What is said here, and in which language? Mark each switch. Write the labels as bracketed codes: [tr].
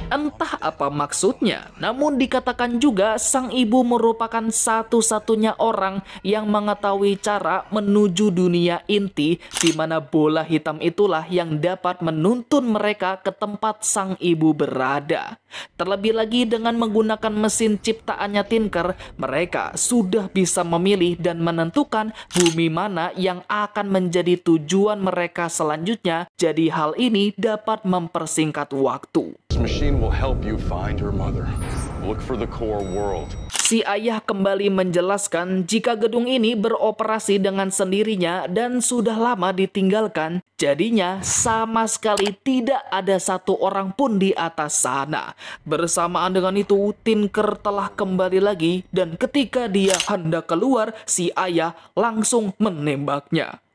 [id] Entah apa maksudnya, namun dikatakan juga sang ibu merupakan satu-satunya orang yang mengetahui cara menuju dunia inti di mana bola hitam itulah yang dapat menuntun mereka ke tempat sang ibu berada. Terlebih lagi dengan menggunakan mesin ciptaannya Tinker, mereka sudah bisa memilih dan menentukan bumi mana yang akan menjadi tujuan mereka selanjutnya. Jadi hal ini dapat mempersingkat waktu. [en] Machine will help you find your mother. Look for the core world. [id] Si ayah kembali menjelaskan jika gedung ini beroperasi dengan sendirinya dan sudah lama ditinggalkan, jadinya sama sekali tidak ada satu orang pun di atas sana. Bersamaan dengan itu, Tinker telah kembali lagi dan ketika dia hendak keluar, si ayah langsung menembaknya.